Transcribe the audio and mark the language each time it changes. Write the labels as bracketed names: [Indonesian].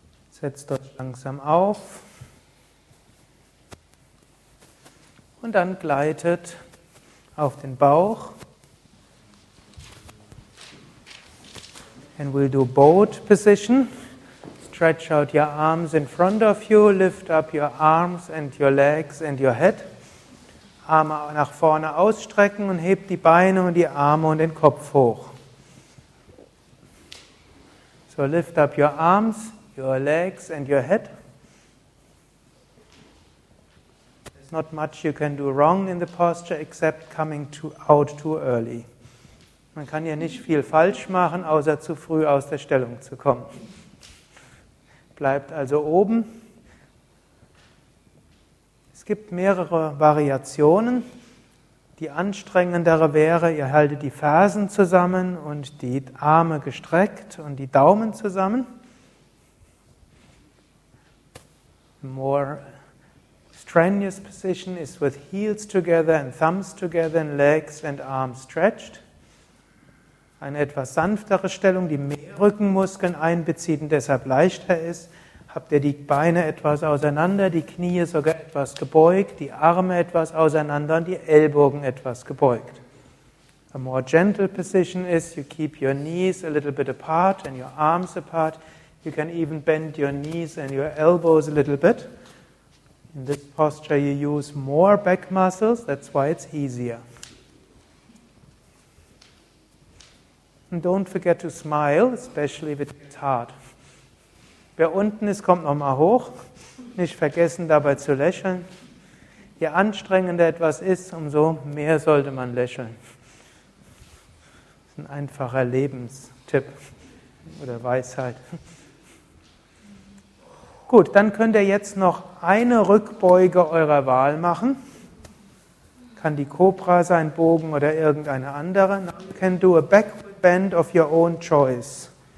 [German] Setzt euch langsam auf und dann gleitet auf den Bauch. [English] And we'll do boat position. Stretch out your arms in front of you. Lift up your arms and your legs and your head. [German] Arme nach vorne ausstrecken und hebt die Beine und die Arme und den Kopf hoch. [English] So lift up your arms, your legs and your head. There's not much you can do wrong in the posture except coming out too early. [German] Man kann ja nicht viel falsch machen, außer zu früh aus der Stellung zu kommen. Bleibt also oben. Es gibt mehrere Variationen. Die anstrengendere wäre, ihr haltet die Fersen zusammen und die Arme gestreckt und die Daumen zusammen. [English] More strenuous position is with heels together and thumbs together and legs and arms stretched. [German] Eine etwas sanftere Stellung, die mehr Rückenmuskeln einbezieht und deshalb leichter ist. Habt ihr die Beine etwas auseinander, die Knie sogar etwas gebeugt, die Arme etwas auseinander und die Ellbogen etwas gebeugt. [English] A more gentle position is you keep your knees a little bit apart and your arms apart. You can even bend your knees and your elbows a little bit. In this posture you use more back muscles, that's why it's easier. And don't forget to smile, especially if it's hard. [German] Wer unten ist, kommt nochmal hoch. Nicht vergessen, dabei zu lächeln. Je anstrengender etwas ist, umso mehr sollte man lächeln. Das ist ein einfacher Lebenstipp oder Weisheit. Gut, dann könnt ihr jetzt noch eine Rückbeuge eurer Wahl machen. Kann die Cobra sein, Bogen oder irgendeine andere. [English] Now you can do a backward bend of your own choice.